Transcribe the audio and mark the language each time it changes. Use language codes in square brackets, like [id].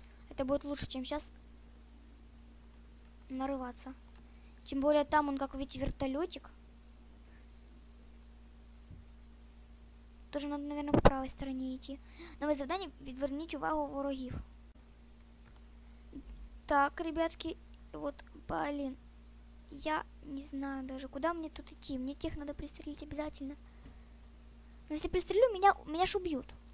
[ru] Это будет лучше, чем сейчас нарываться. Тем более там он, как вы видите, вертолетик. Тоже надо, наверное, по правой стороне идти. Новое задание [uk] — відверніть увагу ворогів. [ru] Так, ребятки, вот, блин, я не знаю даже, куда мне тут идти. Мне тех надо пристрелить обязательно. Но если пристрелю, меня ж убьют.